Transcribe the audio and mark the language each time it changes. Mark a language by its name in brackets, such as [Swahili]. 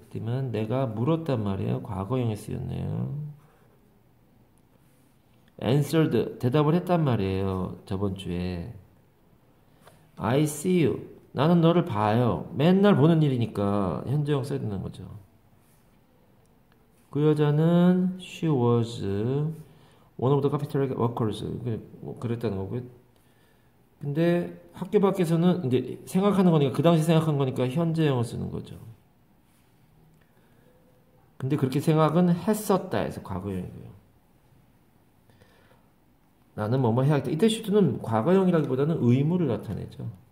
[Korean] 그러면 내가 물었단 말이에요. 과거형이 쓰였네요. Answered. 대답을 했단 말이에요. 저번 주에. I see you. 나는 너를 봐요. 맨날 보는 일이니까 현재형 써야 되는 거죠. [English] 그 여자는 she was one of the cafeteria workers. [Korean] 그랬다는 거고요. 근데 학교 밖에서는 이제 생각하는 거니까 그 당시 생각한 거니까 현재형을 쓰는 거죠. 근데 그렇게 생각은 했었다 해서 과거형이고요. 나는 뭐뭐 해야겠다. 이때 슈트는 과거형이라기보다는 의무를 나타내죠.